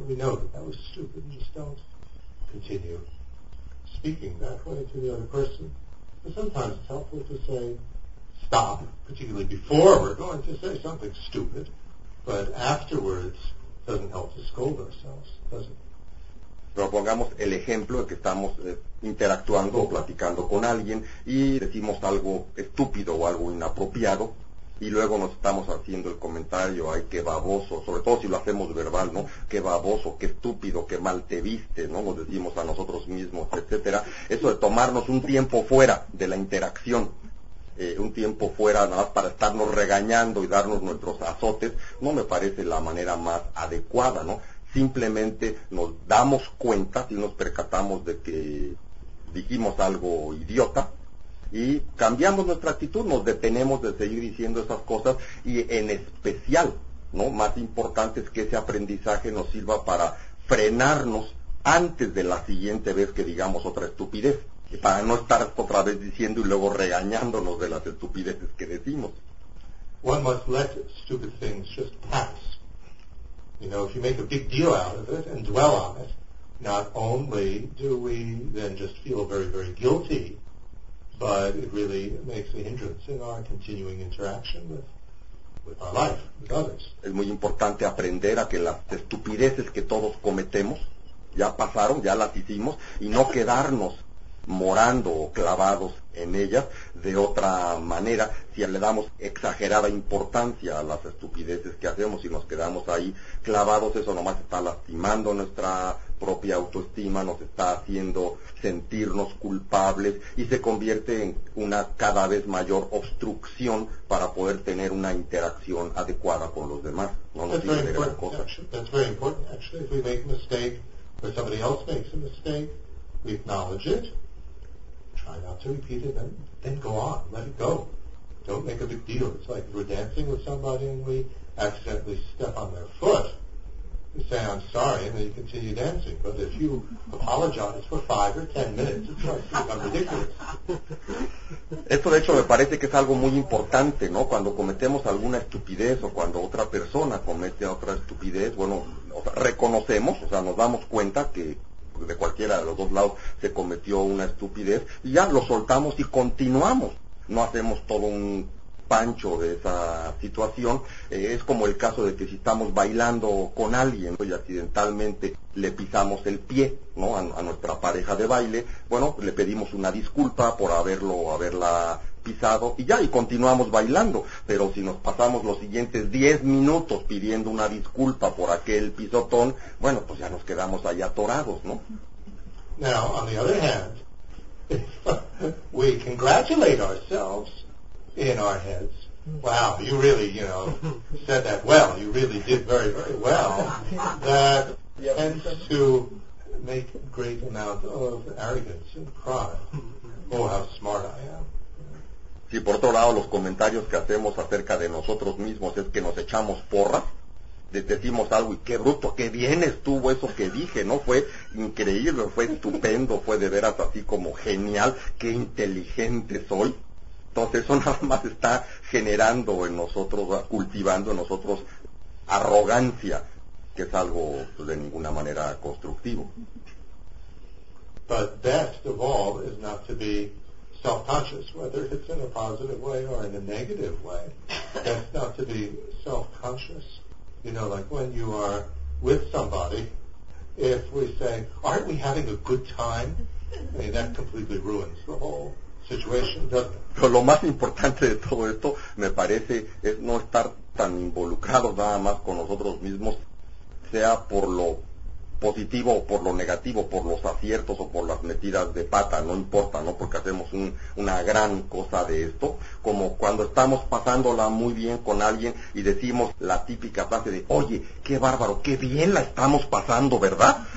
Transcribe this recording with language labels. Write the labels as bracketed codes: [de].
[en] We know that that was stupid, and just don't continue speaking that way to the other person. But sometimes it's helpful to say stop, particularly before we're going to say something stupid, but afterwards doesn't help to scold ourselves, does it? [es] Propongamos el ejemplo de que estamos interactuando o platicando con alguien y decimos algo estúpido o algo inapropiado y luego nos estamos haciendo el comentario, ay, qué baboso, sobre todo si lo hacemos verbal, ¿no? Qué baboso, qué estúpido, qué mal te viste, ¿no? Nos decimos a nosotros mismos, etcétera. Eso de tomarnos un tiempo fuera de la interacción, un tiempo fuera nada más para estarnos regañando y darnos nuestros azotes, no me parece la manera más adecuada, ¿no? Simplemente nos damos cuenta y nos percatamos de que dijimos algo idiota y cambiamos nuestra actitud, nos detenemos de seguir diciendo esas cosas y en especial, ¿no? Más importante es que ese aprendizaje nos sirva para frenarnos antes de la siguiente vez que digamos otra estupidez, para no estar otra vez diciendo y luego regañándonos de las estupideces que decimos. [en] One must let stupid things just pass. You know, if you make a big deal out of it and dwell on it, not only do we then just feel very, very guilty, but it really makes a hindrance in our continuing interaction with our life, with others. [es] Es muy importante aprender a que las estupideces que todos cometemos ya pasaron, ya las hicimos, y no quedarnos morando o clavados en ellas. De otra manera, si le damos exagerada importancia a las estupideces que hacemos y nos quedamos ahí clavados, eso nomás está lastimando nuestra propia autoestima, nos está haciendo sentirnos culpables y se convierte en una cada vez mayor obstrucción para poder tener una interacción adecuada con los demás. No nos tiene que ver con cosas. [en] That's very important, actually. If we make a mistake or somebody else makes a mistake, we acknowledge it, try not to repeat it, then go on, let it go. Don't make a big deal. It's like we're dancing with somebody and we accidentally step on their foot. You say, I'm sorry, and then you continue dancing. But if you apologize for 5 or 10 minutes, it's like, I'm ridiculous. [es] Esto, de hecho, me parece que es algo muy importante, ¿no? Cuando cometemos alguna estupidez o cuando otra persona comete otra estupidez, bueno, o sea, reconocemos, o sea, nos damos cuenta que de cualquiera de los dos lados se cometió una estupidez y ya lo soltamos y continuamos, no hacemos todo un pancho de esa situación. Es como el caso de que si estamos bailando con alguien, ¿no?, y accidentalmente le pisamos el pie, ¿no?, a nuestra pareja de baile, bueno, le pedimos una disculpa por haberla pisado y ya, y continuamos bailando. Pero si nos pasamos los siguientes 10 minutos pidiendo una disculpa por aquel pisotón, bueno, pues ya nos quedamos ahí atorados, ¿no? [en] Now, on the other hand, we congratulate ourselves in our heads. Wow, you really, you know, said that well. You really did very, very well. That tends to make a great amount of arrogance and pride. Oh, how smart I am. [es] Si por otro lado los comentarios que hacemos acerca de nosotros mismos es que nos echamos porras, decimos algo y qué bruto, qué bien estuvo eso que dije, ¿no? Fue increíble, fue estupendo, fue de veras así como genial, qué inteligente soy. Entonces eso nada más está generando en nosotros, cultivando en nosotros arrogancia, que es algo de ninguna manera constructivo. [en] But best of all is not to be self-conscious, whether it's in a positive way or in a negative way. Best not to be self-conscious. You know, like when you are with somebody, if we say, aren't we having a good time? I mean, that completely ruins the whole situation, doesn't it? [es] Pero lo más importante de todo esto, me parece, es no estar tan involucrado nada más con nosotros mismos, sea por lo positivo o por lo negativo, por los aciertos o por las metidas de pata, no importa, ¿no? Porque hacemos una gran cosa de esto, como cuando estamos pasándola muy bien con alguien y decimos la típica frase de, oye, qué bárbaro, qué bien la estamos pasando, ¿verdad?